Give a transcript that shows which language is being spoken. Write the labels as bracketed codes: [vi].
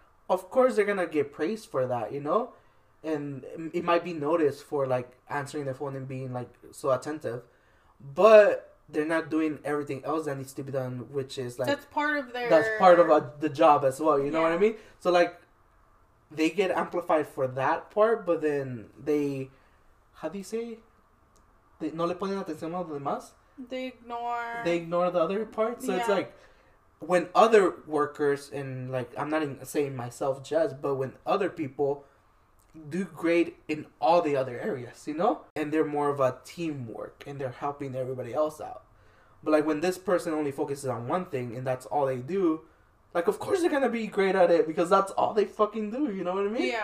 [en] Of course, they're going to get praised for that, you know? And it might be noticed for, like, answering the phone and being, like, so attentive. But they're not doing everything else that needs to be done, which is, like... That's part of the job as well, you know yeah. what I mean? So, like, they get amplified for that part, but then they... How do you say? They [es] no le ponen atención a los demás? [en] They ignore the other part? So, yeah. It's like... When other workers, and, like, I'm not even saying myself just, but when other people do great in all the other areas, you know? And they're more of a teamwork, and they're helping everybody else out. But, like, when this person only focuses on one thing, and that's all they do, like, of course they're gonna be great at it, because that's all they fucking do, you know what I mean?